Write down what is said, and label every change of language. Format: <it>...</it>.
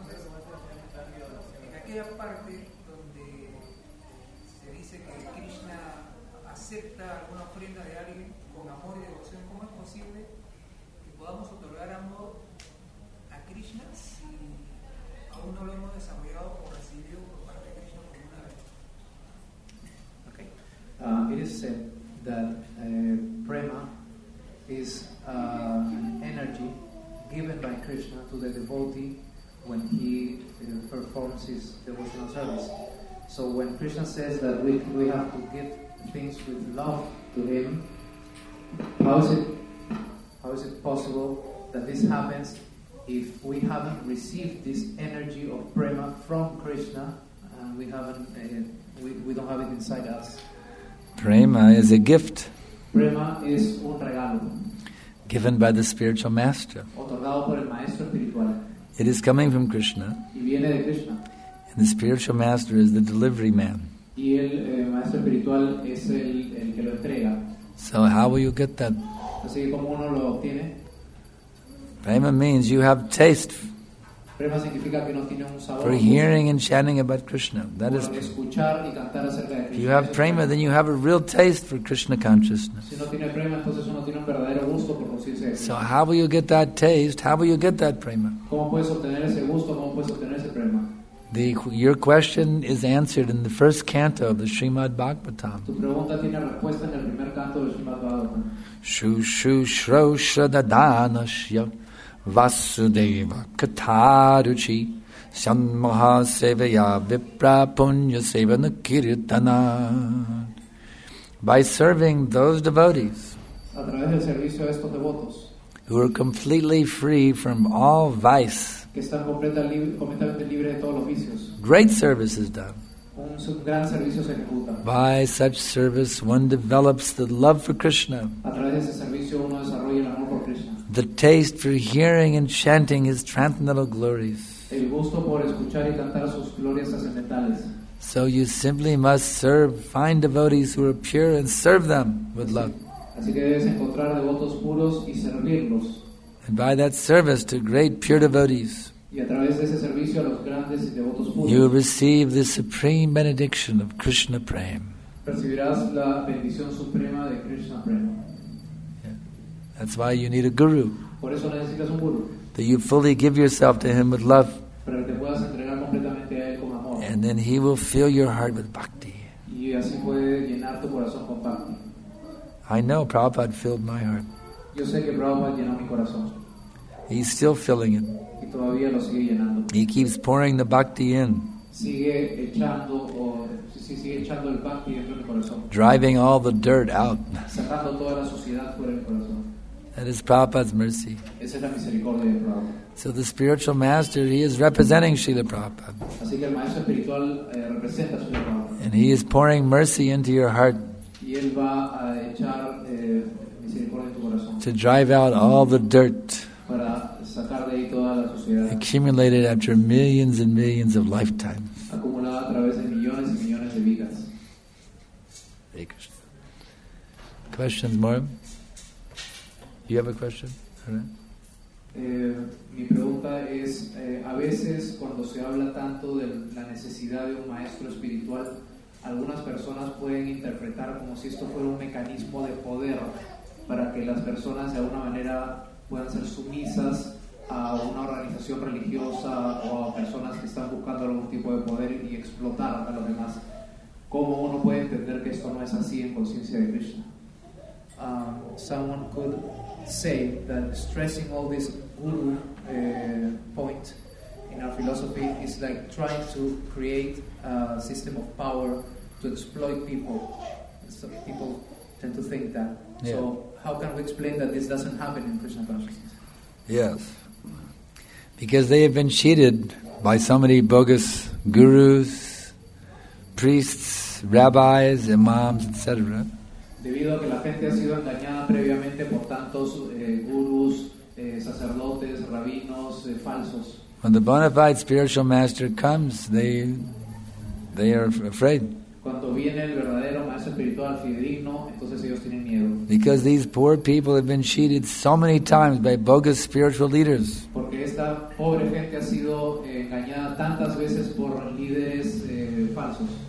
<es>Entonces, en aquella parte donde se dice que Krishna acepta alguna ofrenda de alguien con amor y devoción, ¿cómo es posible que podamos otorgar amor a Krishna si aún no lo hemos desarrollado o recibido por parte de Krishna como una vez?</es> <en>Okay. It is said that prema is an energy given by Krishna to the devotee when he performs his devotional service. So when Krishna says that we have to give things with love to him, how is it possible that this happens if we haven't received this energy of prema from Krishna and we don't have it inside us? Prema is a gift.</en> <es>Prema</es> <en>is</en> <es>un regalo.</es> <en>Given by the spiritual master.</en> <es>Otorgado por el maestro espiritual.</es> <en>It is coming from Krishna.</en> <es>Y viene de Krishna.</es> <en>And the spiritual master is the delivery man.</en> <es>Y el maestro espiritual es el que lo entrega.</es> <en>So how will you get that?</en> <es>Así que ¿cómo uno lo obtiene?</es> <en>Prema means you have taste.</en> <es>Prema significa que uno tiene un sabor.</es> <en>For hearing and chanting about Krishna. That is</en> <es>escuchar y cantar acerca de Krishna.</es> <en>If you have prema, then you have a real taste for Krishna consciousness.</en> <es>Si uno tiene prema, entonces uno tiene un verdadero gusto por conocerse.</es> <en>So how will you get that taste? How will you get that prema?</en> <es>¿Cómo puedes obtener ese gusto? ¿Cómo puedes obtener ese prema?</es> <en>Your question is answered in the first canto of the Srimad Bhagavatam.</en> <es>Tu pregunta tiene respuesta en el primer canto del Srimad Bhagavatam.</es> <sa>Shu shu shrosha dadanashya Vasudeva Kataruchi Sanmaha Sevaya Vipra Punya Sevana Kirtana.</sa> <en>By serving those devotees</en> <es>a través del servicio de estos devotos,</es> <en>who are completely free from all vice,</en> <es>que están completamente libres de todos los vicios,</es> <en>great service is done.</en> <es>Un gran servicio se ejecuta.</es> <en>By such service one develops the love for Krishna,</en> <es>a través de ese servicio uno desarrolla el amor por Krishna,</es> <en>the taste for hearing and chanting his transcendental glories.</en> <es>El gusto por escuchar y cantar sus glorias trascendentales.</es> <en>So you simply must serve, find devotees who are pure and serve them with love.</en> <es>Así que debes encontrar devotos puros y servirlos.</es> <en>And by that service to great pure devotees,</en> <es>y a través de ese servicio a los grandes y devotos puros,</es> <en>you receive the supreme benediction of Krishna Prem.</en> <es>Recibirás la bendición suprema de Krishna Prem.</es> <en>That's why you need a guru.</en> <es>Por eso necesitas un guru.</es> <en>That you fully give yourself to him with love.</en> <es>Para que te puedas entregar completamente a él con amor.</es> <en>And then he will fill your heart with bhakti.</en> <es>Y así puede llenar tu corazón con bhakti.</es> <en>I know Prabhupada filled my heart.</en> <es>Yo sé que Prabhupada llenó mi corazón.</es> <en>He's still filling it.</en> <es>Y todavía lo sigue llenando.</es> <en>He keeps pouring the bhakti in.</en> <es>Sigue echando el bhakti dentro del corazón.</es> <en>Driving all the dirt out.</en> <es>Sacando toda la suciedad fuera del corazón.</es> <en>That is Prabhupada's mercy.</en> <es>Esa es la misericordia de Prabhupada.</es> <en>So the spiritual master, he is representing Srila Prabhupada.</en> <es>Así que el maestro espiritual representa a Srila Prabhupada.</es> <en>And he is pouring mercy into your heart.</en> <es>Y él va a echar misericordia en tu corazón.</es> <en>To drive out all the dirt.</en> <es>Para sacar de ahí toda la suciedad.</es> <en>Accumulated after millions and millions of lifetimes.</en> <es>Acumulada a través de millones y millones de vidas.</es> <en>Hare Krishna. Questions more? You have a question?</en> <es>Mi pregunta es, a veces cuando se habla tanto de la necesidad de un maestro espiritual, algunas personas pueden interpretar como si esto fuera un mecanismo de poder para que las personas de alguna manera puedan ser sumisas a una organización religiosa o a personas que están buscando algún tipo de poder y explotar a los demás. ¿Cómo uno puede entender que esto no es así en conciencia de Krishna?</es> <en>Someone could say that stressing all this guru point in our philosophy is like trying to create a system of power to exploit people. So people tend to think that. Yeah. So how can we explain that this doesn't happen in Krishna consciousness? Yes. Because they have been cheated by so many bogus gurus, priests, rabbis, imams, etc.</en> <es>Debido a que la gente ha sido engañada previamente por tantos gurus, sacerdotes, rabinos, falsos.</es> <en>When the bona fide spiritual master comes, they are afraid.</en> <es>Cuando viene el verdadero maestro espiritual fidedigno, entonces ellos tienen miedo.</es> <en>Because these poor people have been cheated so many times by bogus spiritual leaders.</en> <es>Porque esta pobre gente ha sido engañada tantas veces por líderes falsos.</es>